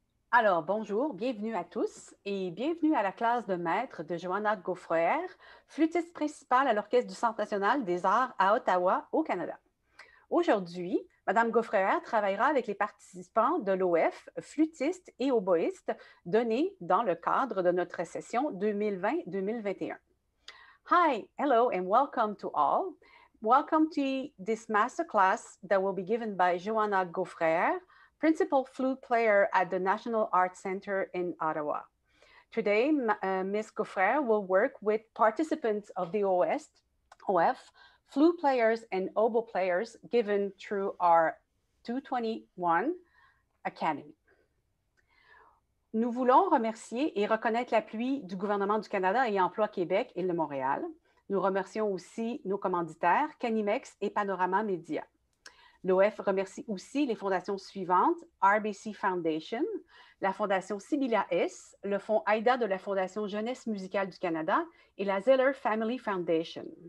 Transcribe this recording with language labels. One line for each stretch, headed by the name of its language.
French: Alors, bonjour, bienvenue à tous et bienvenue à la classe de maître de Joanna G’froerer, flûtiste principale à l'Orchestre du Centre national des arts à Ottawa, au Canada. Aujourd'hui, Mme G’froerer travaillera avec les participants de l'OF, flûtistes et oboïstes, donnés dans le cadre de notre session 2020-2021.
English: Hi, hello and welcome to all. Welcome to this masterclass that will be given by Joanna G’froerer, principal flute player at the National Arts Center in Ottawa. Today, Ms. G’froerer will work with participants of the OF, flute players and oboe players given through our 221 Academy.
French: Nous voulons remercier et reconnaître l'appui du gouvernement du Canada et Emploi Québec et de Montréal. Nous remercions aussi nos commanditaires, Canimex et Panorama Média. L'OF remercie aussi les fondations suivantes, RBC Foundation, la Fondation Sibylla S, le Fonds AIDA de la Fondation Jeunesse Musicale du Canada et la Zeller Family Foundation.